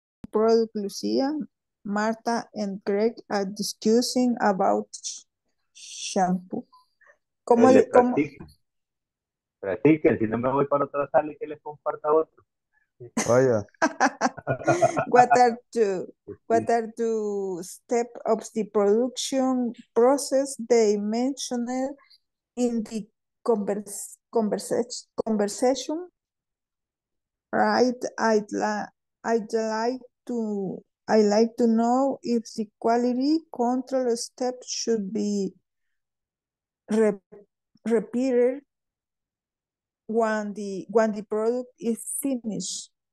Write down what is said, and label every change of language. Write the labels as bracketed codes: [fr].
[en] Product Lucia, Marta, and Greg are discussing about shampoo. [es] ¿Cómo le practiquen? Si no me voy para otra sala y que les comparta otro. Vaya. [en] What are two steps of the production process they mentioned in the conversation? Right, I'd like to know if the quality control step should be repeated when the product is finished.